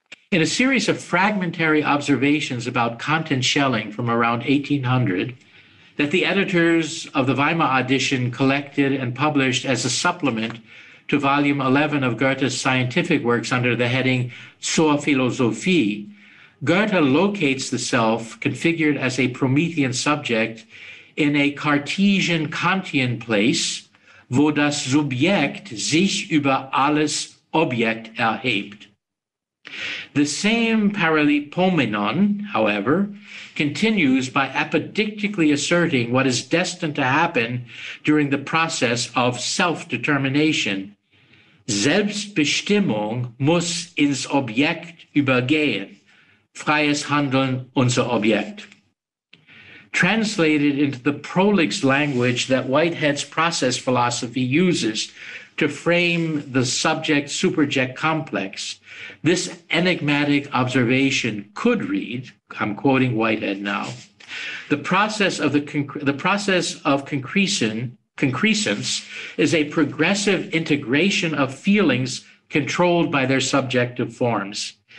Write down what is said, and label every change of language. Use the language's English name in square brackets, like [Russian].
[English] In a series of fragmentary observations about Kant and Schelling from around 1800, that the editors of the Weimar edition collected and published as a supplement to volume 11 of Goethe's scientific works under the heading Zur Philosophie, Goethe locates the self configured as a Promethean subject in a Cartesian Kantian place, [German] wo das Subjekt sich über alles Objekt erhebt. [English] The same paralipomenon, however, continues by apodictically asserting what is destined to happen during the process of self-determination. [German] Selbstbestimmung muss ins Objekt übergehen, freies Handeln unser Objekt. [English] Translated into the prolix language that Whitehead's process philosophy uses to frame the subject-superject complex, this enigmatic observation could read, I'm quoting Whitehead now, the process of concrescence is a progressive integration of feelings controlled by their subjective forms.